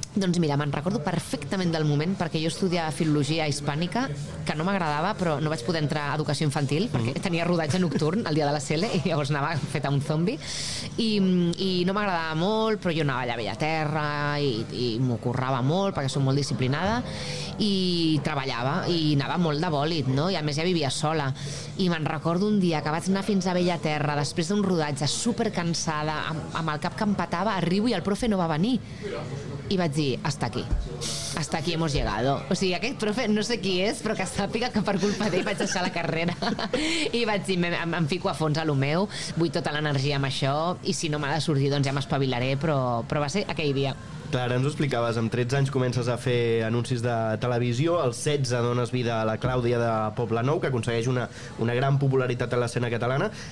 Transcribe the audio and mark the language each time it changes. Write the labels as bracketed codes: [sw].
[ca] Doncs mira, me'n recordo perfectament del moment, perquè jo estudiava Filologia Hispànica, que no m'agradava, però no vaig poder entrar a Educació Infantil, perquè tenia rodatge nocturn el dia de la CL, i llavors anava feta un zombi, i no m'agradava molt, però jo anava allà a Bellaterra i m'ho currava molt, perquè soc molt disciplinada, i treballava, i anava molt de bòlit, no? I a més ja vivia sola. I me'n recordo un dia que vaig anar fins a Bellaterra, després d'un rodatge supercansada, amb el cap que em patava, arribo i el profe no va venir. I vaig dir, [es] hasta aquí hemos llegado. [ca] O sigui, aquest profe, no sé qui és, però que sàpiga que per culpa d'ell vaig deixar la carrera. I vaig dir, em fico a fons a lo meu, vull tota l'energia amb això, i si no m'ha de sortir, doncs ja m'espavilaré, però va ser aquell dia. Clar, ara ens ho explicaves, amb 13 anys comences a fer anuncis de televisió, als 16 dones vida a la Clàudia de Poblenou, que aconsegueix una gran popularitat a l'escena catalana.